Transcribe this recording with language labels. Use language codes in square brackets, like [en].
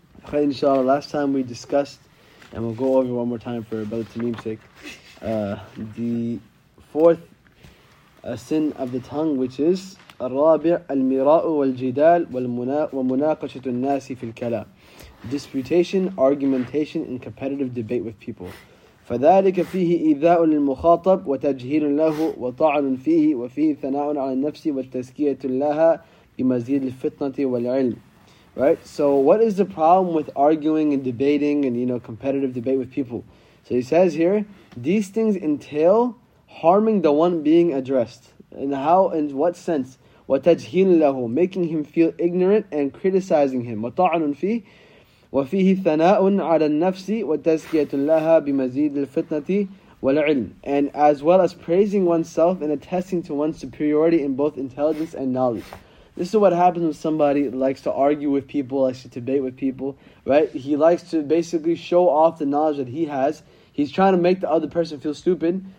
[en] خير إن شاء الله. Last time we discussed, and we'll go over one more time for Brother Tamim's sake, the fourth sin of the tongue, which is الرابع المراء والجدال ومناقشة الناس في الكلام. Disputation, argumentation, and competitive debate with people. [ar] فذلك فيه إيذاء للمخاطب وتجهيل له وطعن فيه وفيه ثناء على النفس والتزكية لها بمزيد الفتنة والعلم. [en] Right? So what is the problem with arguing and debating and, you know, competitive debate with people? So he says here, these things entail harming the one being addressed. And how, in what sense? وتجهيل له, making him feel ignorant and criticizing him. [ar] وطعن فيه وفيه ثناء على النفس وتزكية لها بمزيد الفتنة والعلم. [en] And as well as praising oneself and attesting to one's superiority in both intelligence and knowledge. This is what happens when somebody likes to argue with people, likes to debate with people, right? He likes to basically show off the knowledge that he has. He's trying to make the other person feel stupid.